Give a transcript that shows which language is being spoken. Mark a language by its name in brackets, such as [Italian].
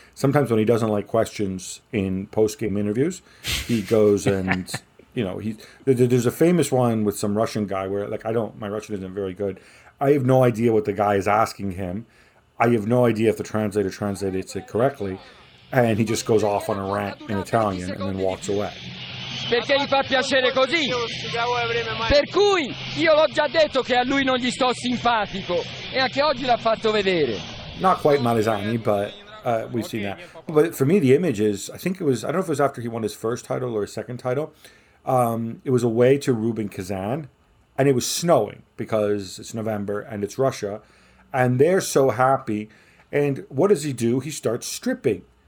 [English] Sometimes when he doesn't like questions in post-game interviews, he goes and, you know, there's a famous one with some Russian guy where, like, my Russian isn't very good. I have no idea what the guy is asking him. I have no idea if the translator translated it correctly. And he just goes off on a rant in Italian and then walks away. [Italian] Perché gli fa piacere così? Per cui io l'ho già detto che a lui non gli sto simpatico. E anche oggi l'ha fatto vedere. [English] Not quite Malizani, but we've seen that. But for me, the image is, I don't know if it was after he won his first title or his second title. It was away to Rubin Kazan, and it was snowing because it's November and it's Russia. And they're so happy. And what does he do? He starts stripping.